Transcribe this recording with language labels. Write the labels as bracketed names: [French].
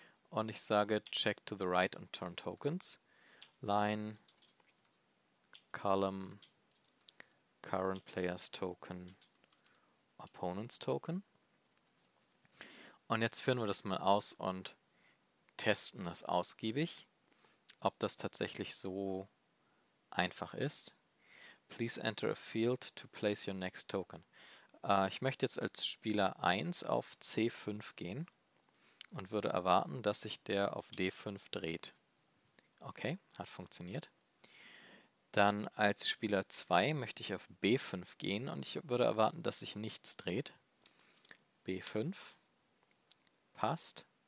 [German] Und ich sage Check to the Right und Turn Tokens. Line, Column, Current Players Token, Opponents Token. Und jetzt führen wir das mal aus und testen das ausgiebig, ob das tatsächlich so einfach ist. [English] Please enter a field to place your next token. [German] Ich möchte jetzt als Spieler 1 auf C5 gehen und würde erwarten, dass sich der auf D5 dreht. Okay, hat funktioniert. Dann als Spieler 2 möchte ich auf B5 gehen und ich würde erwarten, dass sich nichts dreht. B5. Passt.